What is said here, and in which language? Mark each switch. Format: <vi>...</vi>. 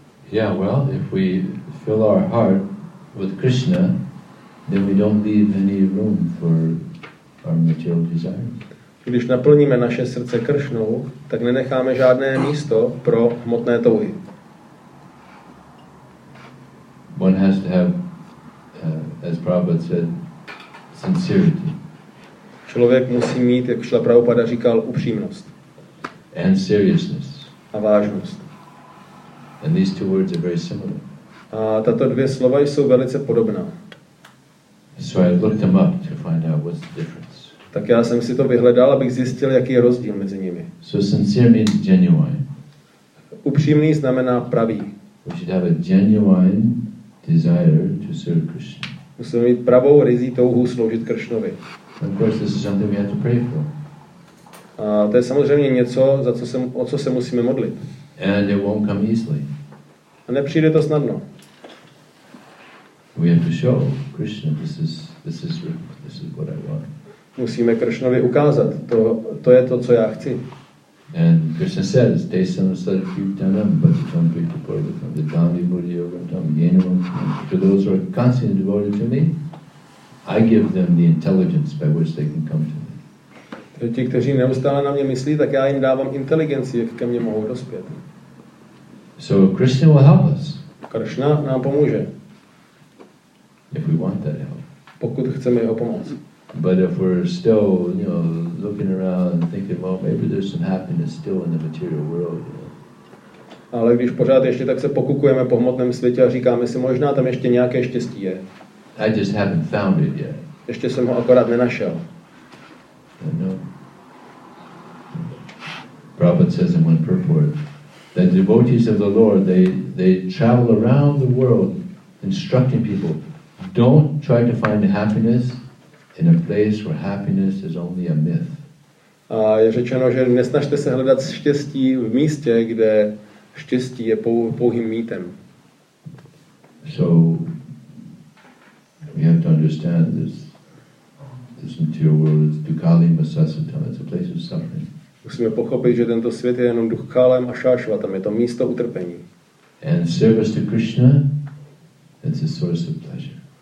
<en>Yeah, well, if we fill our heart with Krishna, then we don't leave any room for our material desires.</en> <cs>Když naplníme naše srdce Kršnou, tak nenecháme žádné místo pro hmotné touhy.</cs> <en>One has to have, as Prabhupada said, sincerity.</en> <cs>Člověk musí mít, jak Šla Prabhupada říkal, upřímnost.</cs> <en>And seriousness.</en> <cs>A vážnost.</cs> <en>And these two words are very similar.</en> <cs>A tato dvě slova jsou velice podobná.</cs> <en>So I looked them up to find out what's the difference.</en> <cs>Tak já jsem si to vyhledal, abych zjistil, jaký je rozdíl mezi nimi.</cs> <en>So sincere means genuine.</en> <cs>Upřímný znamená pravý.</cs> <en>We should have a genuine desire to serve Krishna.</en> <cs>Musíme mít pravou ryzí touhu sloužit Kršnovi.</cs> <en>Of course, this is something we have to pray for.</en> <cs>A to je samozřejmě něco, za co se, o co se musíme modlit.</cs> <en>And it won't come easily.</en> <cs>A nepřijde to snadno.</cs> <en>We have to show Krishna, this is what I want.</en> <cs>Musíme Kršnovi ukázat, to je to, co já chci.</cs> <en>And Krishna says, "Desam sadhyutanam, but don't be deported from the Dhammi Buddhi Yoga, Dhammi Yenam. To those who are constantly devoted to me, I give them the intelligence by which they can come to me."</en> <cs>Ti, kteří neustále na mě myslí, tak já jim dávám inteligenci, jak ke mně mohou dospět.</cs> <en>So Krishna will help us.</en> <cs>Kršna nám pomůže.</cs> <en>If we want that help.</en> <cs>Pokud chceme jeho pomoc.</cs> <en>But if we're still, you know, looking around and thinking, well, maybe there's some happiness still in the material world. You know.</en> <cs>Ale když pořád ještě tak se pokukujeme po hmotném světě a říkáme si, možná tam ještě nějaké štěstí je.</cs> <en>I just haven't found it yet.</en> <cs>Ještě jsem ho akorát nenašel.</cs> <en>No. Prabhupada says in one purport that devotees of the Lord they travel around the world instructing people, don't try to find happiness in a place where happiness is only a myth.</en> <cs>A je řečeno, že nesnažte se hledat štěstí v místě, kde štěstí je pouhým mýtem.</cs> <en>So we have to understand this material world is dukkhali masasatam, it's a place of suffering.</en> <cs>Musíme pochopit, že tento svět je jenom dukkhalem a šášvatam, je to místo utrpení.</cs> <en>And service to Krishna, it's a source of pleasure.</en>